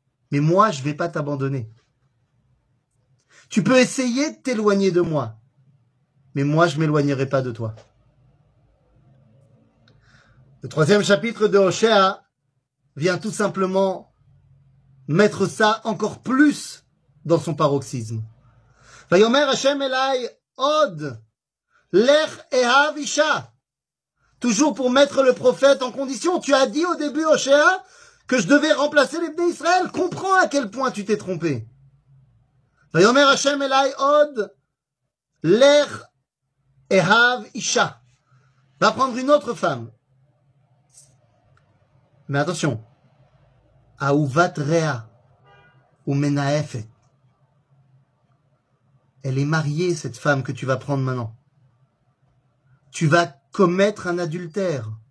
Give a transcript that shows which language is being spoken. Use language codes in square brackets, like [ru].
[fr] Mais moi, je vais pas t'abandonner. Tu peux essayer de t'éloigner de moi. Mais moi, je m'éloignerai pas de toi. » Le troisième chapitre de Hoshéa vient tout simplement mettre ça encore plus dans son paroxysme. [he] ויאמר השם אליי עוד לך אהב אישה. [fr] Toujours pour mettre le prophète en condition. Tu as dit au début, Hoshéa, que je devais remplacer les Bnei Israël. Comprends à quel point tu t'es trompé. [he] ויאמר השם אליי עוד לך אהב אישה. [fr] Va prendre une autre femme. Mais attention. [he] אהובת רעה ומנאפת. [fr] Elle est mariée, cette femme que tu vas prendre maintenant. Tu vas commettre un adultère.